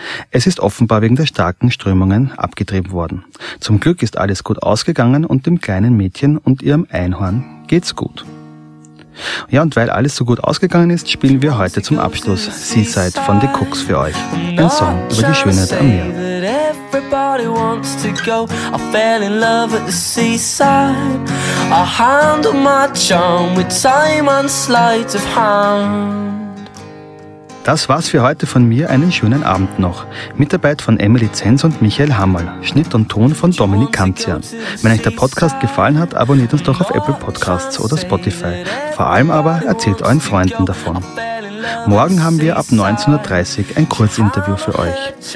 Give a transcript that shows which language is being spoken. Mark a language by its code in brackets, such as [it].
[de] Es ist offenbar wegen der starken Strömungen abgetrieben worden. Zum Glück ist alles gut ausgegangen und dem kleinen Mädchen und ihrem Einhorn geht's gut. Ja, und weil alles so gut ausgegangen ist, spielen wir heute zum Abschluss Seaside von The Cooks für euch. Ein Song über die Schönheit am Meer. [en] Everybody wants to go. I fell in love at the seaside. I handle my charm with Simon's sleight of hand. [de] Das war's für heute von mir, einen schönen Abend noch. Mitarbeit von Emily Zenz und Michael Hammerl. Schnitt und Ton von Dominik Kanzian. Wenn euch der Podcast gefallen hat, abonniert uns doch auf Apple Podcasts oder Spotify. Vor allem aber erzählt euren Freunden davon. Morgen haben wir ab 19.30 Uhr ein Kurzinterview für euch.